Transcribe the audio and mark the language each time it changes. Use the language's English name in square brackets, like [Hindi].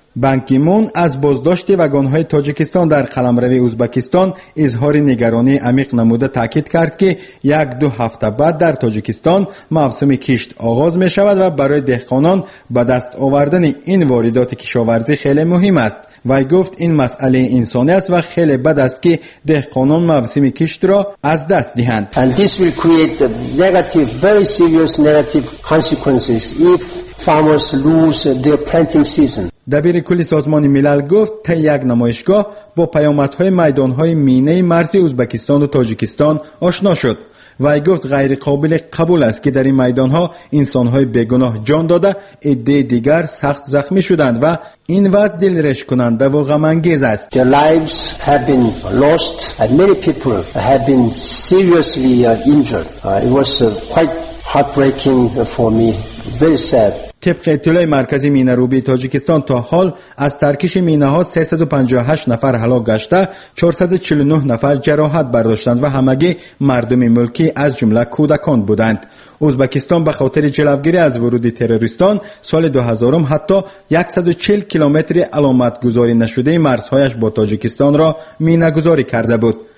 [Persian] بانکیمون از بازداشت وگان‌های تاجیکستان در قلمرو ازبکستان اظهار نگرانی عمیق نموده تاکید کرد که یک دو هفته بعد در تاجیکستان موسم کشت آغاز می‌شود و برای دهقانان به دست آوردن این واردات کشاورزی خیلی مهم است. وی گفت این مسئله انسانی است و خیلی بد است که دهقانان موسم کشت را از دست دهند. [English] And this will create negative, very serious negative consequences if farmers lose their planting season. [Persian] دبیر کل سازمان ملل گفت تا یک نمایشگاه با پیامدهای میدانهای مینه مرزی ازبکستان و تاجیکستان آشنا شد. وی گفت غیر قابل قبول است که در این میدانها انسانهای بیگناه جان داده عده دیگر سخت زخمی شدند و این وضع دلرش کننده و غم انگیز است. [English] Their lives have been lost and many people have been seriously injured. It was quite heartbreaking for me. Very sad. [Persian] طبق اطلاع مرکزی مینه روبی تاجیکستان تا حال از ترکش مینه ها 358 نفر هلاک گشته 449 نفر جراحت برداشتند و همگی مردم ملکی از جمله کودکان بودند. ازبکستان به خاطر جلوگیری از ورود تروریستان سال 2000 حتی 140 کیلومتر علامت گذاری نشده مرزهایش با تاجیکستان را مینه گذاری کرده بود.